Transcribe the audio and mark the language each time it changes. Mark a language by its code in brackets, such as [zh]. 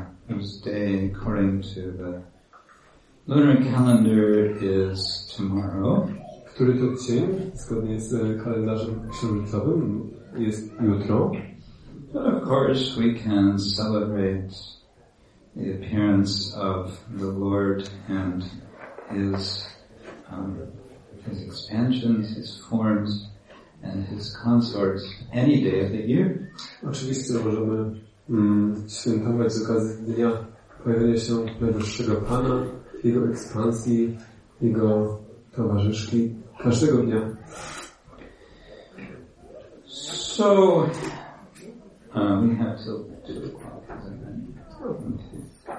[en] Whose day, according to the lunar calendar, is tomorrow. [pl] Który to dzień, zgodnie z kalendarzem księżycowym, jest jutro. [en] But of course we can celebrate the appearance of the Lord and his expansions, his forms, and his consorts any day of the year. [pl] Oczywiście możemy świętować z okazji dnia pojawienia się Najwyższego Pana, Jego ekspansji, Jego towarzyszki każdego dnia. [en] So, we have till 2 o'clock, is there any?